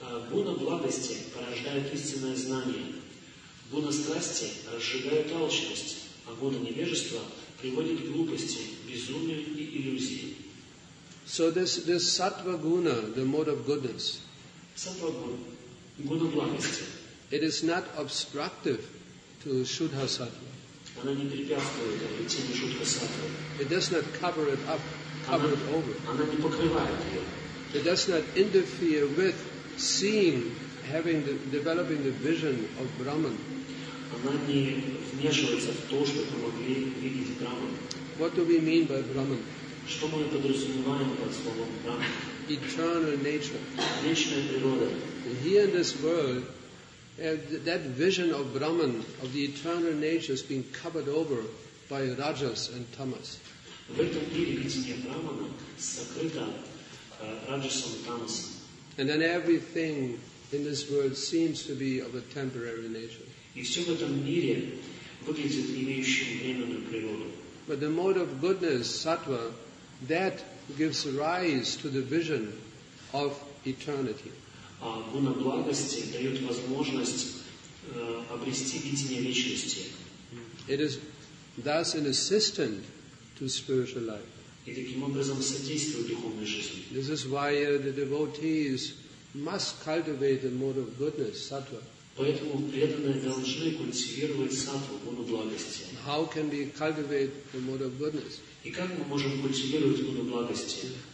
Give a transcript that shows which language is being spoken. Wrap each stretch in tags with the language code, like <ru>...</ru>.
<ru>Гуна благости порождает истинное знание. Гуна страсти разжигает алчность, а гуна невежества приводит к глупости, безумию и иллюзии.</ru> <en>So this sattva guna, the mode of goodness,</en> <ru>sattva guna благости,</ru> <en>it is not obstructive to shuddha sattva.</en> <ru>Она не препятствует обретению шудха саттвы.</ru> <en>It does not cover it up, cover it over.</en> <ru>Она не покрывает ее.</ru> <en>It does not interfere with seeing, having the, developing the vision of Brahman.</en> <ru>Она не вмешивается в то, что помогли видеть Брахман.</ru> <en>What do we mean by Brahman?</en> <ru>Что мы подразумеваем под словом Брахман?</ru> <en>Eternal nature.</en> <ru>Вечная природа.</ru> <en>And here in this world, that vision of Brahman, of the eternal nature, is being covered over by rajas and tamas.</en> <ru>В этом мире видение Брахмана сокрыто раджасом и тамасом.</ru> <en>And then everything in this world seems to be of a temporary nature.</en> <ru>И все в этом мире выглядит имеющим временную природу.</ru> <en>But the mode of goodness, sattva, that gives rise to the vision of eternity.</en> <ru>А гуна благости дает возможность обрести видение вечности.</ru> <en>It is thus an assistant to spiritual life.</en> <ru>И таким образом содействует духовной жизни.</ru> <en>This is why the devotees must cultivate the mode of goodness, sattva.</en> <ru>Поэтому преданные должны культивировать саттву, гуну благости.</ru> <en>How can we cultivate the mode of goodness?</en> <ru>И как мы можем культивировать гуну благости?</ru>